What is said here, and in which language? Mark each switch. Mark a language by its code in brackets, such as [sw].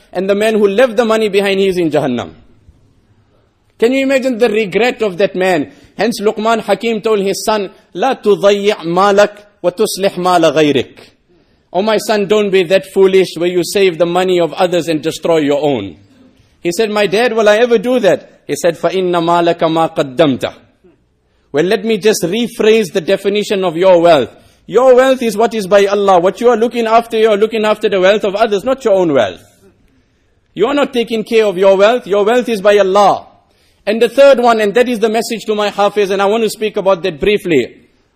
[en] And the man who left the money behind, he is in Jahannam. Can you imagine the regret of that man? Hence Luqman Hakim told his son, [ar] لا تضيع مالك وتصلح مال غيرك. [en] Oh my son, don't be that foolish where you save the money of others and destroy your own. He said, my dad, will I ever do that? He said, [ar] فَإِنَّ مَالَكَ مَا قَدَّمْتَ. [en] Well, let me just rephrase the definition of your wealth. Your wealth is what is by Allah. What you are looking after the wealth of others, not your own wealth. You are not taking care of your wealth. Your wealth is by Allah. And the third one, and that is the message to my hafiz, and I want to speak about that briefly.